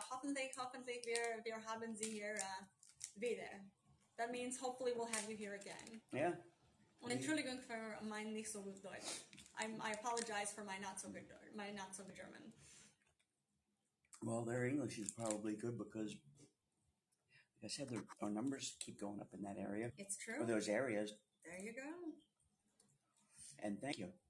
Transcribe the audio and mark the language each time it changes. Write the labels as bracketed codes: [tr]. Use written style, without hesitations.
[de] Hoffentlich wir haben Sie hier wieder. [en] That means hopefully we'll have you here again. Yeah. [de] Und Entschuldigung für mein nicht so gut Deutsch. [en] I apologize for my not so good German. Well, their English is probably good because, like I said, our numbers keep going up in that area. It's true. Or those areas. There you go. And thank you.